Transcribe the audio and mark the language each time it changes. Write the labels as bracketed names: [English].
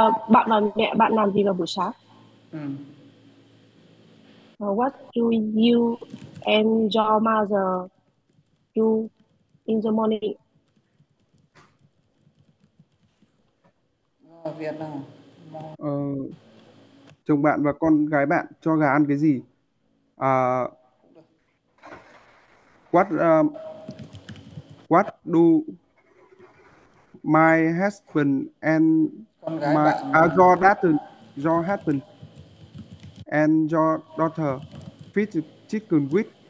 [Vietnamese] Bạn và mẹ bạn làm gì vào buổi sáng? [English] What do you and your mother do in the morning? [Vietnamese] Việt nào? Chồng bạn và con gái bạn cho gà ăn cái gì? [English] What do your husband and your daughter feed the chicken with?